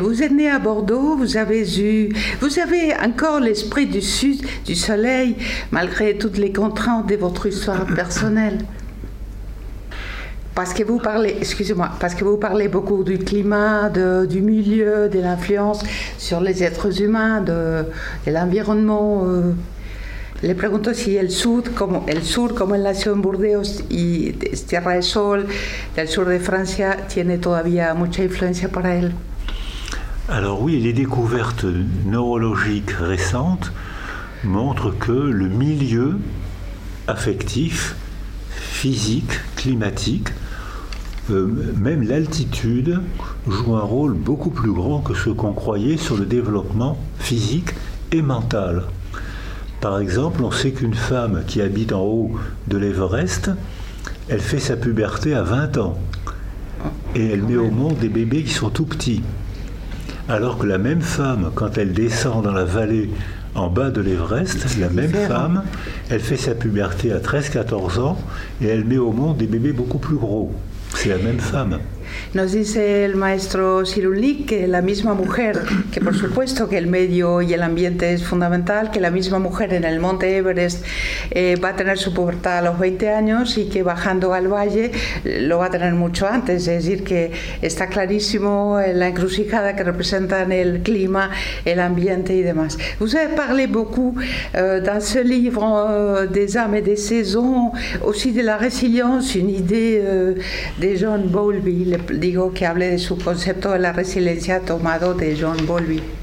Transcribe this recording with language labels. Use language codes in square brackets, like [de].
[fr] Vous êtes né à Bordeaux, vous avez encore l'esprit du sud, du soleil, malgré toutes les contraintes de votre histoire personnelle. Parce que vous parlez beaucoup du climat, du milieu, de l'influence sur les êtres humains, de l'environnement. [es] Le pregunto si el sur, como él nació en Burdeos y es tierra de sol, del sur de Francia, tiene todavía mucha influencia para él. [fr] Alors oui, les découvertes neurologiques récentes montrent que le milieu affectif, physique, climatique, même l'altitude joue un rôle beaucoup plus grand que ce qu'on croyait sur le développement physique et mental. Par exemple, on sait qu'une femme qui habite en haut de l'Everest, elle fait sa puberté à 20 ans. Et elle met au monde des bébés qui sont tout petits. Alors que la même femme, quand elle descend dans la vallée en bas de l'Everest, femme, elle fait sa puberté à 13-14 ans et elle met au monde des bébés beaucoup plus gros. C'est la même femme. [es] Nos dice el maestro Cyrulnik que la misma mujer, que por supuesto que el medio y el ambiente es fundamental, que la misma mujer en el monte Everest va a tener su pubertad a los 20 años y que bajando al valle lo va a tener mucho antes. Es decir, que está clarísimo la encrucijada que representan el clima, el ambiente y demás. [fr] Vous avez parlé beaucoup dans ce livre des âmes et des saisons, aussi de la résilience, une idée de John Bowlby. [es] Le digo que hable de su concepto de la resiliencia tomado de John Bowlby.